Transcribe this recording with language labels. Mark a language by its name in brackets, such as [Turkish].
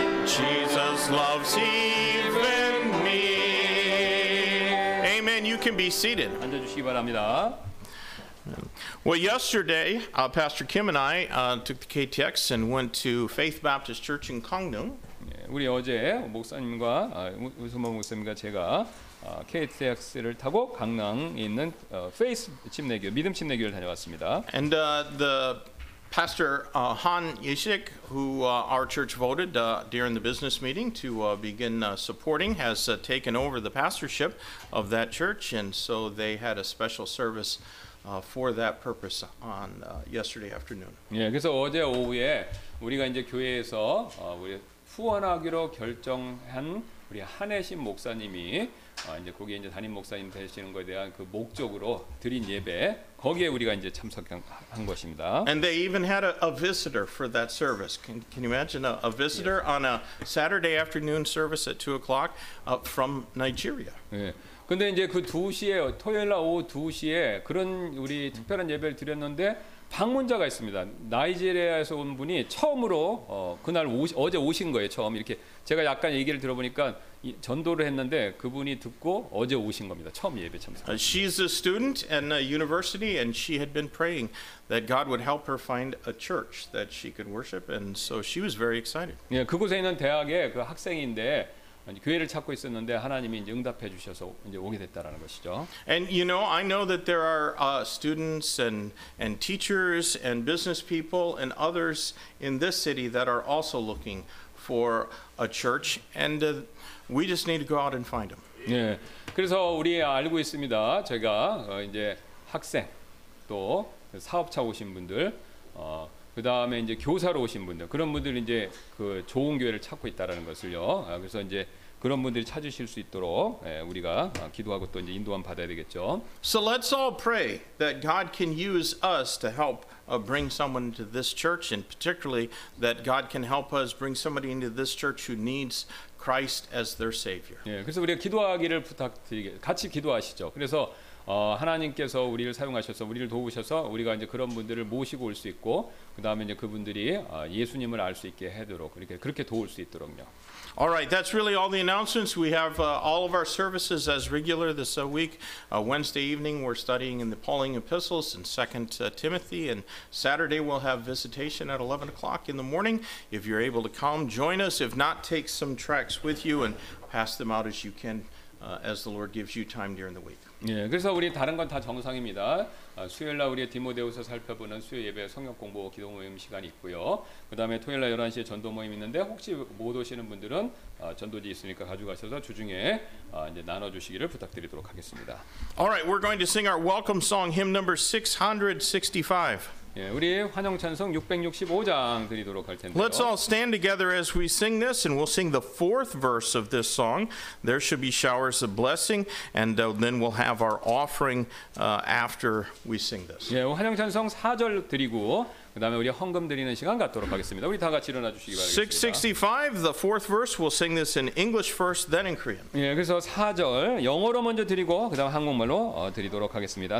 [English] Jesus loves even me. Amen. You can be seated. [Korean] 앉아주시기 바랍니다. [English] Well, yesterday, Pastor Kim and I took the KTX and went to Faith Baptist Church in Gangneung. [Korean] 우리 어제 목사님과 우수모 목사님과 제가 KTX를 타고 강남에 있는 Faith 침례교, 믿음 침례교를 다녀왔습니다. [English] And the Pastor Han Yishik, who our church voted during the business meeting to begin supporting, has taken over the pastorship of that church, and so they had a special service for that purpose on yesterday afternoon. [Korean] 예, 그래서 어제 오후에 우리가 이제 교회에서 우리 후원하기로 결정한 우리 한혜신 목사님이 이제 거기에 이제 담임 목사님 되시는 것에 대한 그 목적으로 드린 예배 거기에 우리가 이제 참석한 것입니다. [English] And they even had a visitor for that service. Can you imagine a visitor on a Saturday afternoon service at 2 o'clock from Nigeria? [Korean] 근데 이제 그 2시에 토요일 날 오후 2시에 그런 우리 특별한 예배를 드렸는데 방문자가 있습니다. 나이지리아에서 온 분이 처음으로 그날 어제 오신 거예요. 처음 이렇게 제가 약간 얘기를 들어보니까 전도를 했는데 그분이 듣고 어제 오신 겁니다. 처음 예배 참석. [English] She's a student at a university and she had been praying that God would help her find a church that she could worship and so she was very excited. [Korean] 예, 그곳에 있는 대학의 그 학생인데 교회를 찾고 있었는데 하나님이 이제 응답해 주셔서 이제 오게 됐다라는 것이죠. [English] And you know, I know that there are students and teachers and business people and others in this city that are also looking for a church and we just need to go out and find them. [Korean] 예. 그래서 우리 알고 있습니다. 제가 이제 학생 또 사업자 오신 분들 그다음에 이제 교사로 오신 분들 그런 분들이 이제 그 좋은 교회를 찾고 있다라는 것을요. 그래서 이제 그런 분들이 찾으실 수 있도록 우리가 기도하고 또 이제 인도함 받아야 되겠죠. [English] So let's all pray that God can use us to help bring someone to this church and particularly that God can help us bring somebody into this church who needs Christ as their savior. [Korean] 예, 그래서 우리가 기도하기를 부탁드리게 같이 기도하시죠. 그래서 하나님께서 우리를 사용하셔서 우리를 도우셔서 우리가 이제 그런 분들을 모시고 올 수 있고 그 다음에 이제 그분들이 예수님을 알 수 있게 하도록 이렇게 그렇게 도울 수 있도록요. [English] All right, that's really all the announcements. We have all of our services as regular this week. Wednesday evening, we're studying in the Pauline epistles and 2 Timothy. And Saturday, we'll have visitation at 11 o'clock in the morning. If you're able to come, join us. If not, take some tracts with you and pass them out as you can, as the Lord gives you time during the week. [Korean] 예, 그래서 우리 다른 건 다 정상입니다. 수요일날 우리의 디모데후서 살펴보는 수요 예배 성경 공부 기도 모임 시간이 있고요. 그 다음에 토요일날 11시에 전도 모임 있는데 혹시 못 오시는 분들은 전도지 있으니까 가져가셔서 주중에 이제 나눠주시기를 부탁드리도록 하겠습니다. [English] Alright, we're going to sing our welcome song, hymn number 665. [Korean] 예, 우리 환영 찬송 665장 드리도록 할 텐데요. [English] Let's all stand together as we sing this, and we'll sing the fourth verse of this song. There should be showers of blessing, and then we'll have our offering after we sing this. [Korean] 예, 환영 찬송 4절 드리고 그다음에 우리 헌금 드리는 시간 갖도록 하겠습니다. 우리 다 같이 일어나 주시기 바라겠습니다. [English] 665, the fourth verse, we'll sing this in English first, then in Korean. [Korean] 예, 그래서 4절 영어로 먼저 드리고 그다음 한국말로 드리도록 하겠습니다.